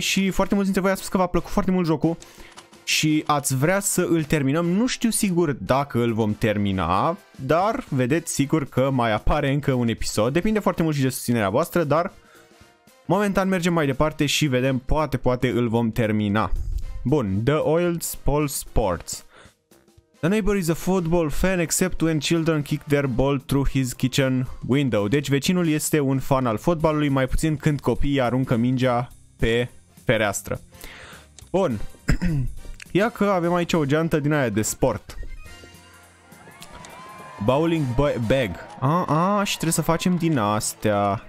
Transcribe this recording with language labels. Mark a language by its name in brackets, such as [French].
[Romanian] Și foarte mulți dintre voi ați spus că v-a plăcut foarte mult jocul și ați vrea să îl terminăm. Nu știu sigur dacă îl vom termina, dar vedeți sigur că mai apare încă un episod. Depinde foarte mult și de susținerea voastră, dar momentan mergem mai departe și vedem, poate îl vom termina. Bun, The Oil Spall Sports. [English] The neighbor is a football fan except when children kick their ball through his kitchen window. [Romanian] Deci vecinul este un fan al fotbalului, mai puțin când copiii aruncă mingea pe fereastră. Bun. Ia că avem aici o geantă din aia de sport. Bowling bag. Și trebuie să facem din astea.